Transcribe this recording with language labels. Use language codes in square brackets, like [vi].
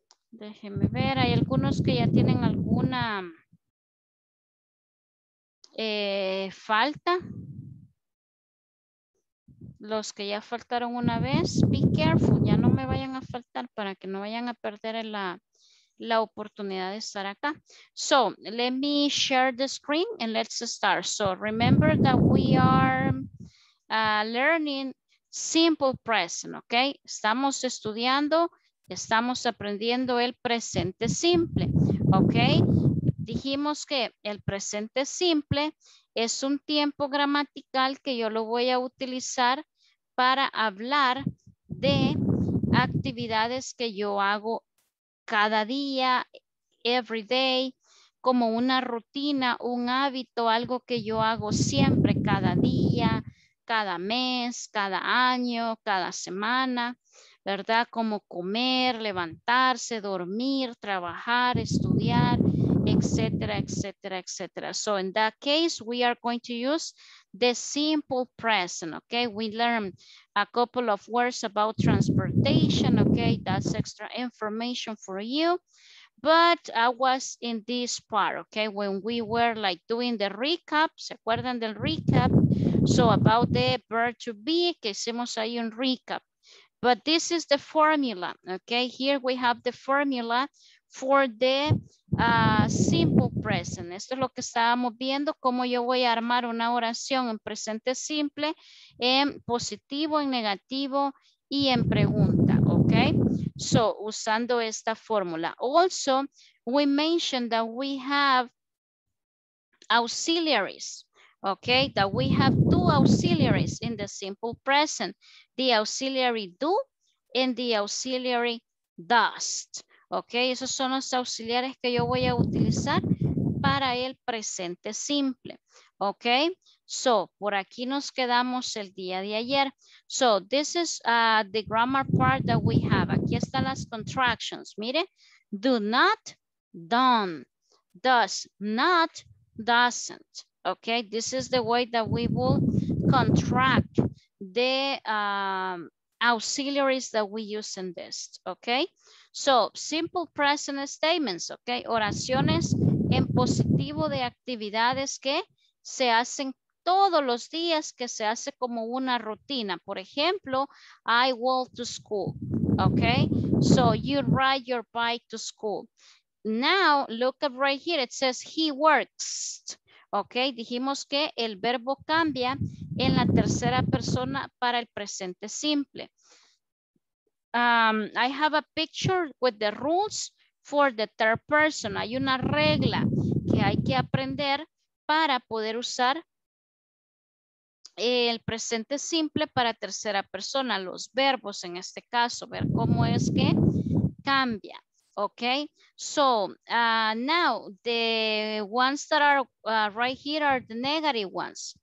[es] Déjenme ver, hay algunos que ya tienen alguna falta. Los que ya faltaron una vez, [en] be careful, [es] ya no me vayan a faltar para que no vayan a perder la oportunidad de estar acá. [en] So, let me share the screen and let's start. So, remember that we are learning simple present, okay? [es] Estamos estudiando. Estamos aprendiendo el presente simple. Ok. The dijimos que el presente simple es un tiempo gramatical que yo lo voy a utilizar para hablar de actividades que yo hago cada día, [en] every day, [es] como una rutina, un hábito, algo que yo hago siempre, cada día, cada mes, cada año, cada semana, ¿verdad? Como comer, levantarse, dormir, trabajar, estudiar, etcétera, etcétera, etcétera. [en] So in that case, we are going to use the simple present, okay? We learned a couple of words about transportation, okay? That's extra information for you. But I was in this part, okay? When we were like doing the recap, [es] ¿se acuerdan del recap? [en] So about the verb to be, [es] que hicimos ahí un recap. [en] But this is the formula, okay? Here we have the formula for the simple present. [es] Esto es lo que estábamos viendo, cómo yo voy a armar una oración en presente simple, en positivo, en negativo y en pregunta, okay? So, usando esta fórmula. [en] Also, we mentioned that we have auxiliaries, okay? That we have two auxiliaries in the simple present. The auxiliary do and the auxiliary does. [es] Okay, esos son los auxiliares que yo voy a utilizar para el presente simple. Okay, so por aquí nos quedamos el día de ayer. [en] So this is the grammar part that we have. [es] Aquí están las contractions. Mire, [en] do not, done, does not, doesn't. Okay, this is the way that we will contract the auxiliaries that we use in this. Okay. [es] So, [en] simple present statements, [es] ok, oraciones en positivo de actividades que se hacen todos los días, que se hace como una rutina. Por ejemplo, [en] I walk to school, ok, so you ride your bike to school. Now, look up right here, it says he works, [es] ok, dijimos que el verbo cambia en la tercera persona para el presente simple. [en] I have a picture with the rules for the third person. [es] Hay una regla que hay que aprender para poder usar el presente simple para tercera persona, los verbos en este caso, ver cómo es que cambia. [en] Okay, so now the ones that are right here are the negative ones.